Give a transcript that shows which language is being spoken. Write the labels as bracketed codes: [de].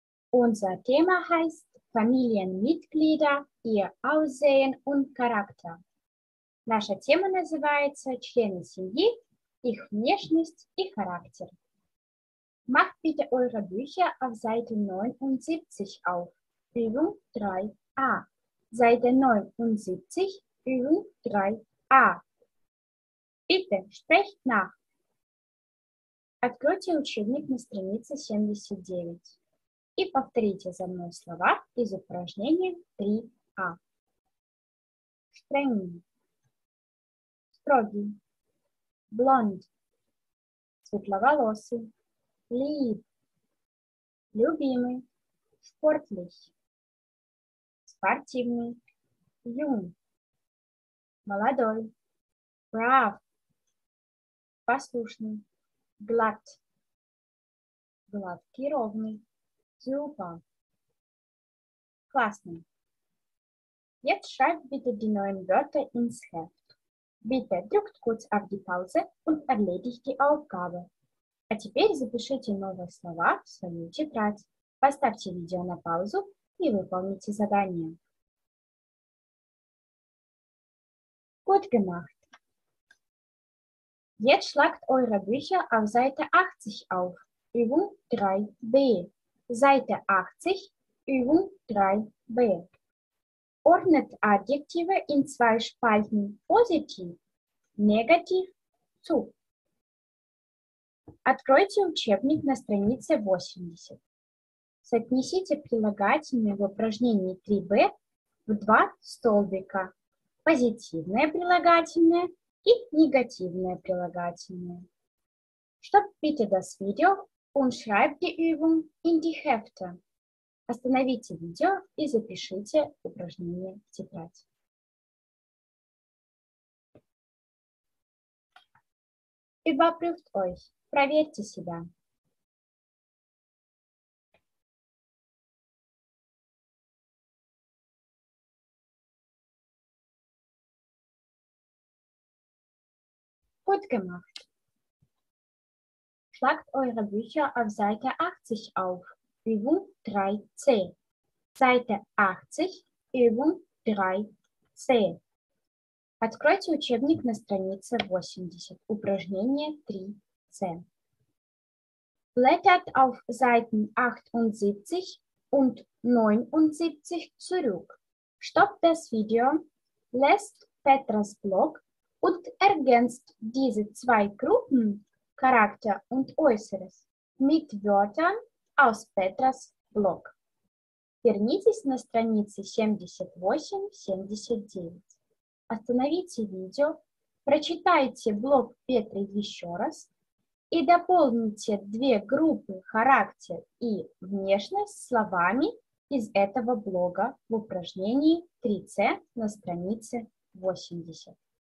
[de] Unser Thema heißt Familienmitglieder, ihr Aussehen und Charakter. [ru] Наша тема называется «Члены семьи, их внешность и характер». [de] Macht bitte eure Bücher auf Seite 79 auf, Übung 3a. Seite 79, Übung 3a. Bitte, sprecht nach. [ru] Откройте учебник на странице 79 и повторите за мной слова из упражнения 3a. [de] Streng. [ru] Строгий. [de] Blond. [ru] Светловолосый. [de] Lieb. [ru] Любимый. [de] Sportlich. [ru] Спортивный. [de] Jung. [ru] Молодой. [de] Brav. [ru] Послушный. [de] Glatt. [ru] Гладкий, ровный. Super. Классный. [de] Jetzt schreibt bitte die neuen Wörter ins Heft. Bitte drückt kurz auf die Pause und erledigt die Aufgabe. [ru] А теперь запишите новые слова в свою тетрадь. Поставьте видео на паузу и выполните задание. [de] Gut gemacht. Jetzt schlagt eure Bücher auf Seite 80 auf. Übung 3b. Seite 80, Übung 3b. Ordnet Adjektive in zwei Spalten positiv, negativ zu. [ru] Откройте учебник на странице 80. Соотнесите прилагательные в упражнении 3b в два столбика. Позитивное прилагательное и негативное прилагательное. [de] Stopp bitte das Video und schreibt die Übung in die Hefte. [ru] Остановите видео и запишите упражнение в тетрадь. [de] Überprüft euch. [ru] Проверьте себя. [de] Gut gemacht. Schlagt eure Bücher auf Seite 80 auf. Übung 3c. Seite 80, Übung 3c. [ru] Откройте учебник на странице 80. Упражнение 3c. [de] Blättert auf Seiten 78 und 79 zurück. Stoppt das Video, lässt Petras Blog und ergänzt diese zwei Gruppen, Charakter und Äußeres, mit Wörtern aus Petras Blog. [ru] Вернитесь на странице 78-79. Остановите видео, прочитайте блог Петры еще раз и дополните две группы «Характер» и «Внешность» словами из этого блога в упражнении 3c на странице 80.